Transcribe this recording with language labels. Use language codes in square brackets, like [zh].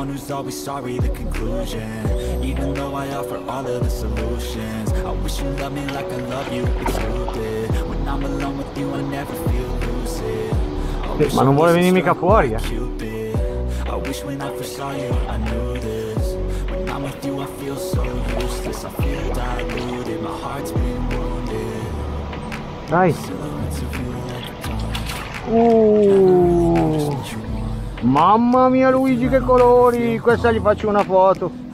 [en] Always sorry the conclusion, even though I offer all of the solutions. I wish you loved me like I love you, it's stupid. When I'm alone with you, I never feel lucid. [it] Ma non vuole venire mica fuori, eh. [en] I wish when I first saw you, I knew this. When I'm with you, I feel so useless. I feel diluted, my heart's been wounded. Nice. [it] Mamma mia Luigi, che colori! Questa gli faccio una foto.